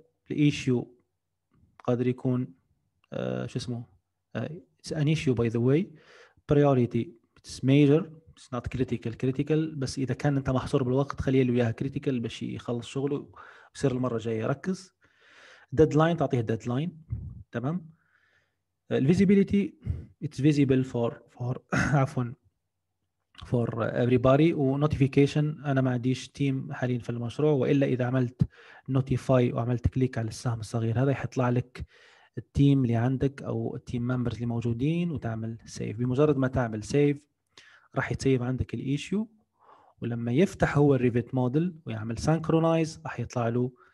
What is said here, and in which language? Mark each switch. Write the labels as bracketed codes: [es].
[ar] الايشيو قادر يكون شو اسمه [en] it's an issue by the way. priority it's major it's not critical. [ar] critical بس اذا كان انت محصور بالوقت خليه له اياها critical باش يخلص شغله ويصير المره الجايه يركز. deadline تعطيه deadline. تمام. [en] الفيزيبيليتي it's visible for [ar] عفوا [en] for everybody. [ar] و notification انا ما عنديش تيم حاليا في المشروع، والا اذا عملت notify وعملت كليك على السهم الصغير هذا يحطلع لك التيم اللي عندك او التيم ممبرز اللي موجودين وتعمل save. بمجرد ما تعمل save راح يتسيف عندك الايشيو، ولما يفتح هو الريفيت موديل ويعمل synchronize راح يطلع له